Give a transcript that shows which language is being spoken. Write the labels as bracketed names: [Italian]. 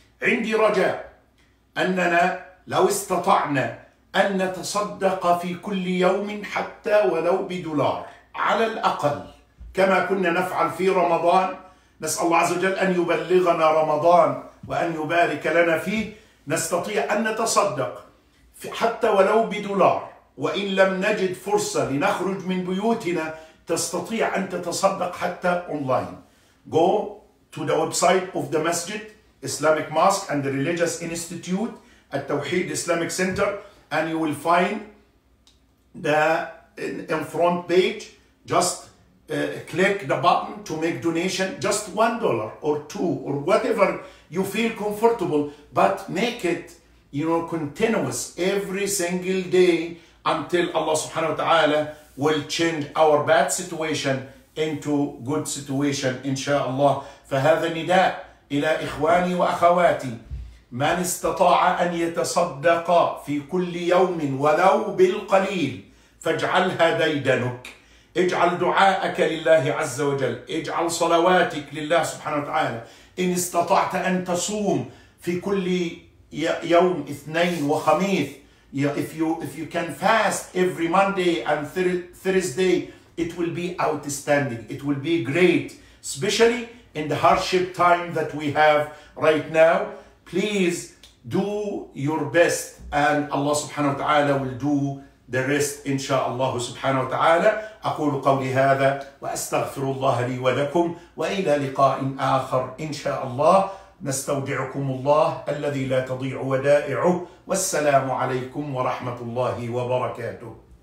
[Arabic] عندي رجاء أننا لو استطعنا أن نتصدق في كل يوم حتى ولو بدولار على الأقل، كما كنا نفعل في رمضان، نسأل الله عز وجل أن يبلغنا رمضان وأن يبارك لنا فيه، نستطيع أن نتصدق حتى ولو بدولار. وإن لم نجد فرصة لنخرج من بيوتنا، تستطيع أن تتصدق حتى أونلاين. [English] Go to the website of the Masjid, Islamic Mosque and the Religious Institute at Tawheed Islamic Center, and you will find the in front page. Just click the button to make donation, just $1 or $2 or whatever you feel comfortable, but make it, you know, continuous every single day until Allah subhanahu wa ta'ala will change our bad situation into good situation, inshallah. [Arabic] فهذا نداء إلى إخواني وأخواتي من استطاع أن يتصدق في كل يوم ولو بالقليل فاجعلها ديدنك. اجعل دعاءك لله عز وجل، اجعل صلواتك لله سبحانه وتعالى. إن استطعت أن تصوم في كل يوم اثنين وخميس، [English] if you can fast every Monday and Thursday, it will be outstanding. It will be great, especially in the hardship time that we have right now. Please do your best, and Allah سبحانه وتعالى will do the rest [Arabic] إن شاء الله سبحانه وتعالى. أقول قولي هذا وأستغفر الله لي ولكم، وإلى لقاء آخر إن شاء الله. نستودعكم الله الذي لا تضيع ودائعه، والسلام عليكم ورحمة الله وبركاته.